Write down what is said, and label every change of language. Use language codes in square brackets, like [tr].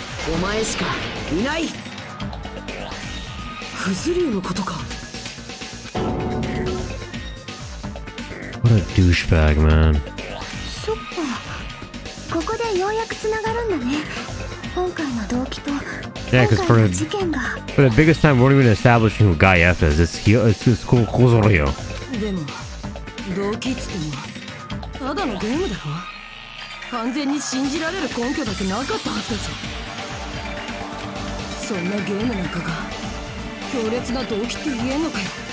[ja] お前しかいない。フズリューのことか。 [en] What a douchebag, man. [ja] そっか、ここでようやくつながるんだね。今回の動機と今回の事件が。 [en] For the biggest time, we're not even establishing who Guy F is. It's [ja] ここぞるよ。でも動機つってもただのゲームだろ。完全に信じられる根拠だけなかったはずだぞ。そんなゲームなんかが強烈な動機って言えんのかよ。